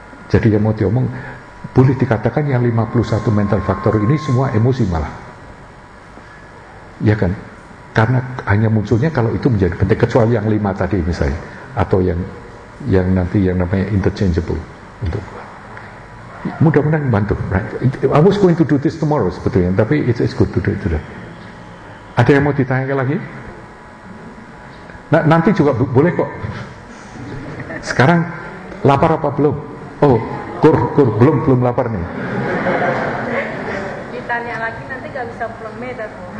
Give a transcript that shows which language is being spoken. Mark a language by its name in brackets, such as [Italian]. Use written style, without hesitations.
[Indonesian] Jadi yang mau diomong, boleh dikatakan yang 51 mental faktor ini semua emosi malah. Ya kan? Karena hanya munculnya kalau itu menjadi penting, kecuali yang 5 tadi misalnya, atau yang nanti yang namanya interchangeable untuk. Mudah-mudahan membantu, right? [English] I was going to do this tomorrow [Indonesian] sebetulnya, tapi [English] it's good to do it today. [Indonesian] Ada yang mau ditanyakan lagi? Nah, nanti juga boleh kok. Sekarang lapar apa belum? Oh, kur belum lapar nih. Ditanya lagi nanti gak bisa pulang Medan.